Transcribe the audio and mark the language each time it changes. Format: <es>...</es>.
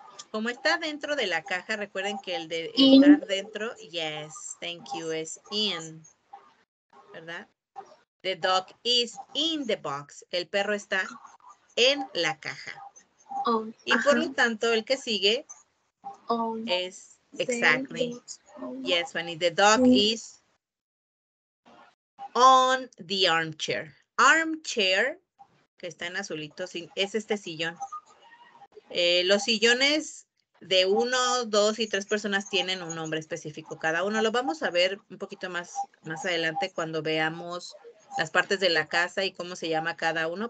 <es>Como está dentro de la caja, recuerden que el de estar dentro,</es> <en>yes, thank you,</en> <es>es in, ¿verdad?</es> <en>The dog is in the box.</en> <es>El perro está en la caja. Oh, y por lo tanto, el que sigue es</es> <en>exactly. Yes, Fanny, the dog is on the armchair.</en> <es>Armchair, que está en azulito, es este sillón. Los sillones de uno, dos y tres personas tienen un nombre específico. Cada uno lo vamos a ver un poquito más adelante cuando veamos las partes de la casa y cómo se llama cada uno.</es>